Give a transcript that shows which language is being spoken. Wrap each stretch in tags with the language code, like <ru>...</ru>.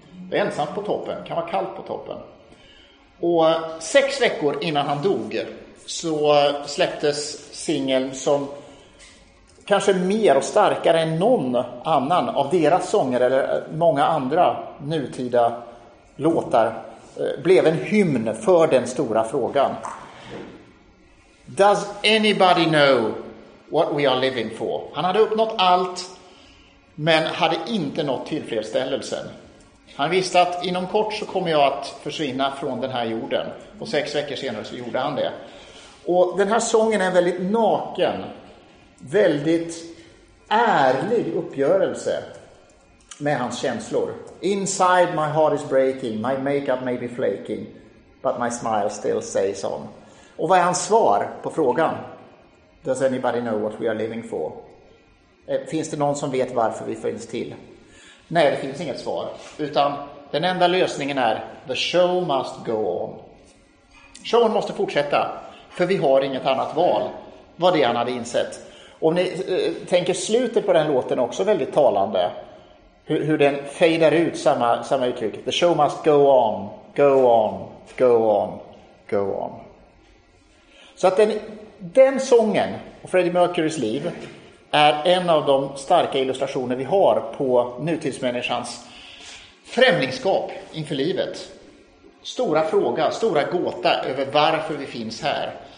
<sv>Det är ensamt på toppen, kan vara kallt på toppen. Och 6 veckor innan han dog så släpptes singeln som kanske mer och starkare än någon annan av deras sånger eller många andra nutida låtar, blev en hymn för den stora frågan.</sv> <en>Does anybody know what we are living for?</en> <sv>Han hade uppnått allt, men hade inte nått tillfredsställelsen. Han visste att inom kort så kommer jag att försvinna från den här jorden. Och 6 veckor senare så gjorde han det. Och den här sången är väldigt naken, väldigt ärlig uppgörelse med hans känslor.</sv> <en>Inside my heart is breaking, my makeup may be flaking, but my smile still stays on.</en> <sv>Och vad är hans svar på frågan?</sv> <en>Does anybody know what we are living for?</en> <sv>Finns det någon som vet varför vi finns till? Nej, det finns inget svar. Utan den enda lösningen är</sv> <en>the show must go on.</en> <sv>Showen måste fortsätta. För vi har inget annat val. Vad det han hade insett. Om ni tänker slutet på den låten också, väldigt talande. Hur den fejdar ut, samma uttryck.</sv> <en>The show must go on, go on, go on, go on.</en> <sv>Så att den sången och Freddie Mercurys liv är en av de starka illustrationer vi har på nutidsmänniskans främlingskap inför livet. Stora fråga, stora gåta över varför vi finns här.</sv>